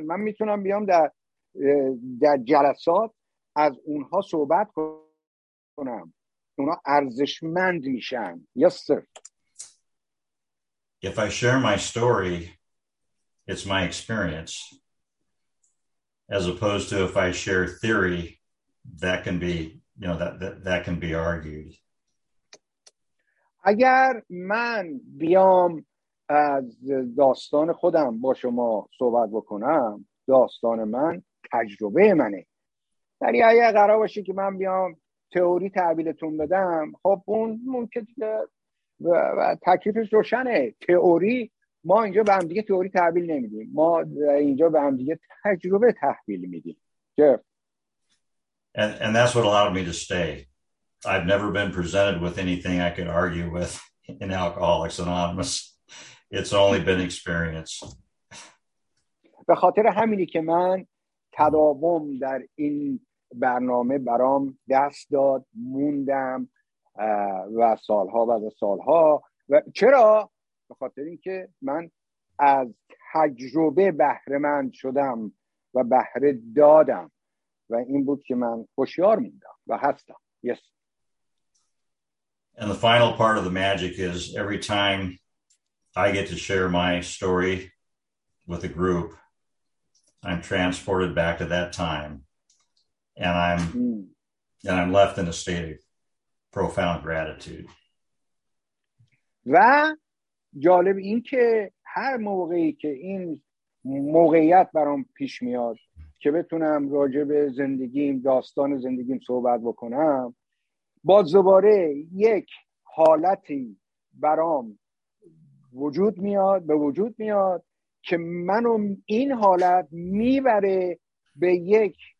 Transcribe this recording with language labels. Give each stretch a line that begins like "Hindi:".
Persian: من میتونم بیام در جلسات از اونها صحبت کنم، اونا ارزشمند میشن.
English: Yes sir. If I share my story, it's my experience, as opposed to if I share theory, that can be, you know, that can be argued.
Persian: اگر من بیام از داستان خودم با شما صحبت بکنم، داستان من تجربه منه. ولی اگر قرار باشه که من بیام تئوری تحویلتون بدم، خب اون ممکن که تکلیفش روشنه. تئوری ما اینجا به هم دیگه تئوری تحویل نمیدیم، ما اینجا به هم دیگه تجربه تحویل میدیم.
English: And that's what allowed me to stay. I've never been presented with anything I could argue with in Alcoholics Anonymous. It's only been experience.
Persian: به خاطر همینی که من تداوم در این برنامه برام دست داد، موندم و سالها بعد سالها. و چرا؟ به خاطر اینکه من از تجربه بهره‌مند شدم و بهره دادم و این بود که من هوشیار موندم و هستم.
English: Yes. And the final part of the magic is every time I get to share my story with a group, I'm transported back to that time and I'm left in a state of profound gratitude.
Persian: و جالب این که هر موقعی که این موقعیت برام پیش میاد که بتونم راجع به زندگیم، داستان زندگیم صحبت بکنم، باز دوباره یک حالتی برام وجود میاد، به وجود میاد که منو این حالت میبره به یک